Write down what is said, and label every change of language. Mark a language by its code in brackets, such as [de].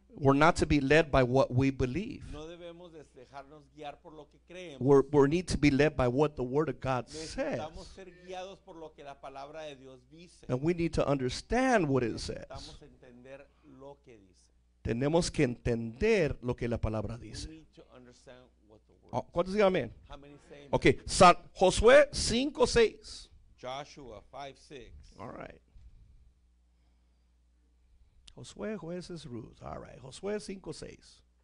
[en] We're not to be led by what we believe. [es] No debemos dejarnos guiar por lo que creemos. [en] We need to be led by what the Word of God [es] necesitamos [en] says. [es] Ser guiados por lo que la palabra de Dios dice. [en] And we need to understand what it says. [es] Necesitamos entender lo que dice. Tenemos que entender lo que la palabra dice. [en] We need to understand. [es] ¿Cuántos dicen amén? [en] How many say amen? [es] Okay, Josué 5:6. [en] Joshua 5:6. All right. [es] Josué, Jueces, Ruth. [en] All right. [es] Josué 5:6.